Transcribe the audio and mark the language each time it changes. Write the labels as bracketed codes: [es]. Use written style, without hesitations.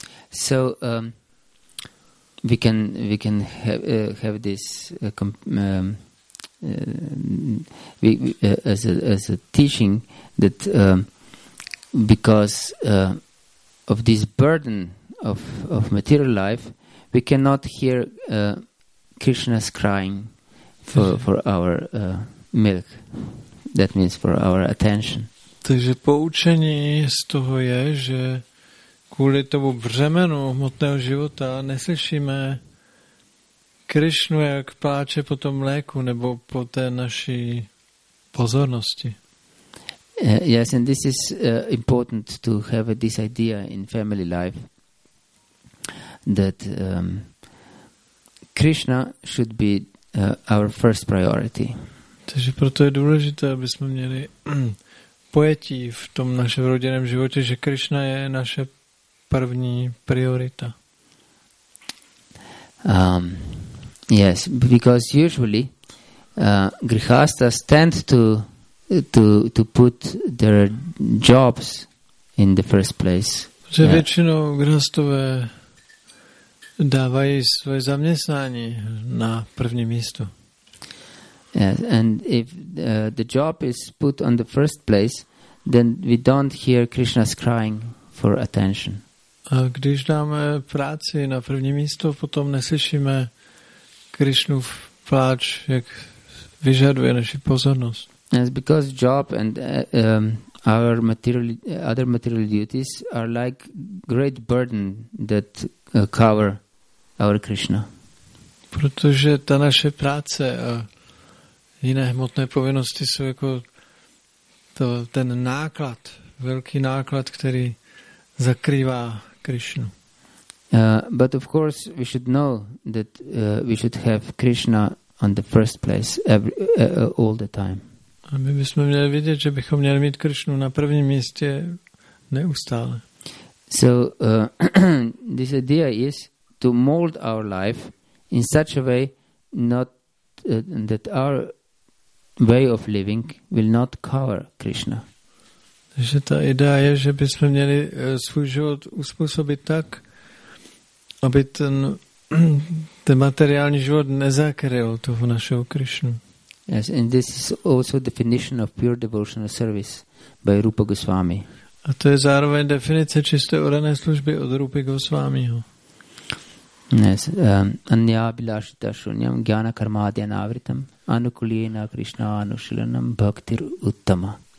[en] So we can have this as a teaching that because of this burden of material life, we cannot hear Krishna's crying for our milk. That means for our attention. [cs] Takže poučení z toho je, že kvůli tomu břemenu hmotného života neslyšíme Krishnu, jak pláče po tom mléku nebo po té naší pozornosti. [en] Yes, and this is important to have this idea in family life that Krishna should be our first priority. [cs] Takže proto je důležité, aby jsme měli pojetí v tom našem rodinném životě, že Krishna je naše první priorita. [en] Yes, because usually grihasthas tend to put their jobs in the first place. [cs] Že většinou grihasthové dávají svoje zaměstnání na první místo. [en] Yes, and if the job is put on the first place, then we don't hear Krishna's crying for attention. [cs] A když dáme práci na první místo, potom neslyšíme Krishnův pláč, jak vyžaduje naši pozornost. [en] Yes, because job and our other material duties are like great burden that cover our Krishna. [cs] Protože ta naše práce a jiné hmotné povinnosti jsou jako ten náklad, velký náklad, který zakrývá Krishnu. [en] But of course we should know that we should have Krishna on the first place all the time. [cs] A my bychom měli vidět, že bychom měli mít Krishnu na prvním místě neustále. [en] So this idea is to mold our life in such a way not that our way of living will not cover Krishna. [cs] Takže ta idea je, že bychom měli svůj život uspůsobit tak, aby ten materiální život nezakryl toho našeho Krishnu. [en] Yes, and this is also definition of pure devotional service by Rupa Goswami. [cs] A to je zároveň definice čisté oddané služby od Rupy Goswamiho. [sa] Yes, anya bilashita shunyam gyana karma adyanavritam anukulena krishna anushilanam bhaktir uttama.